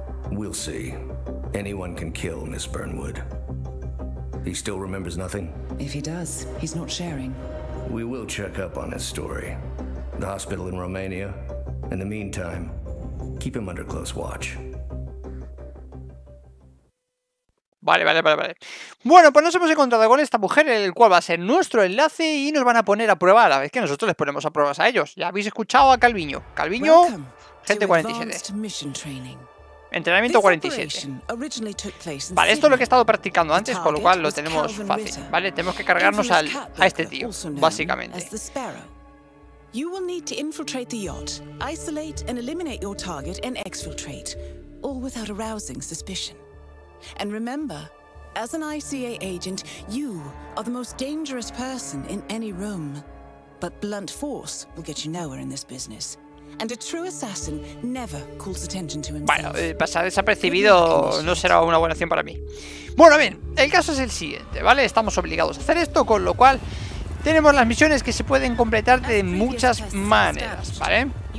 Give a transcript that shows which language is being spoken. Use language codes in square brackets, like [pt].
[en] We'll see. Anyone can kill Miss Burnwood. He still remembers nothing? If he does, he's not sharing. We will check up on his story. The hospital in Romania. In the meantime, keep him under close watch. [es] Vale. Bueno, pues nos hemos encontrado con esta mujer, el cual va a ser nuestro enlace y nos van a poner a prueba a la vez que nosotros les ponemos a pruebas a ellos. Ya habéis escuchado a Calviño. Calviño, gente 47. Entrenamiento 47. Vale, esto es lo que he estado practicando antes, con lo cual lo tenemos fácil. Vale, tenemos que cargarnos a este tío, básicamente. [en] You will need to infiltrate the yacht, isolate and eliminate your target and exfiltrate, all without arousing suspicion. And remember, as an ICA agent, you are the most dangerous person in any room. But blunt force will get you nowhere in this business. And a true assassin never calls attention to himself. [es] Bueno, pasar desapercibido no será una buena opción para mí. Bueno, bien, el caso es el siguiente, ¿vale? Estamos obligados a hacer esto, con lo cual tenemos las misiones que se pueden completar de muchas maneras, ¿vale?